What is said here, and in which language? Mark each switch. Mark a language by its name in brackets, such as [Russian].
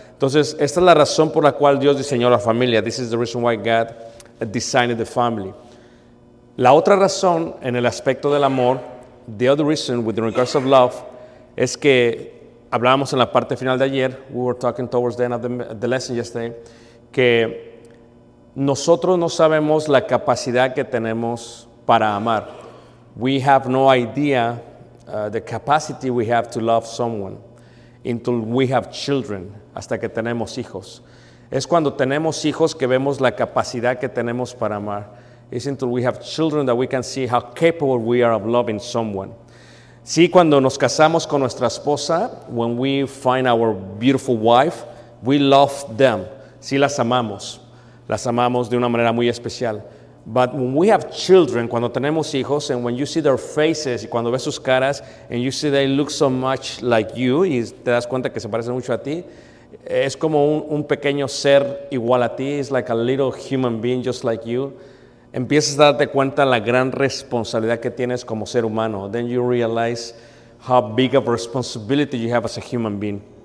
[Spanish] Entonces, esta es la razón por la cual Dios diseñó la familia. [English] This is the reason why God designed the family. [Spanish] La otra razón en el aspecto del amor, [English] the other reason with regards of love, [Spanish] es que hablábamos en la parte final de ayer, [English] we were talking towards the end of the lesson yesterday, [Spanish] que nosotros no sabemos la capacidad que tenemos para amar. [English] We have no idea the capacity we have to love someone until we have children, [Spanish] hasta que tenemos hijos. Es cuando tenemos hijos que vemos la capacidad que tenemos para amar. [English] It's until we have children that we can see how capable we are of loving someone. [Spanish] Sí, cuando nos casamos con nuestra esposa, [English] when we find our beautiful wife, we love them. [Spanish] Sí, las amamos de una manera muy especial. [English] But when we have children, [Spanish] cuando tenemos hijos, [English] and when you see their faces, [Spanish] y cuando ves sus caras, [English] and you see they look so much like you, [Spanish] y te das cuenta que se parecen mucho a ti, es como un pequeño ser igual a ti, [English] it's like a little human being just like you. [Spanish] Empiezas a darte cuenta la gran responsabilidad que tienes como ser humano. [English] Then you realize how big of a responsibility you have as a human being.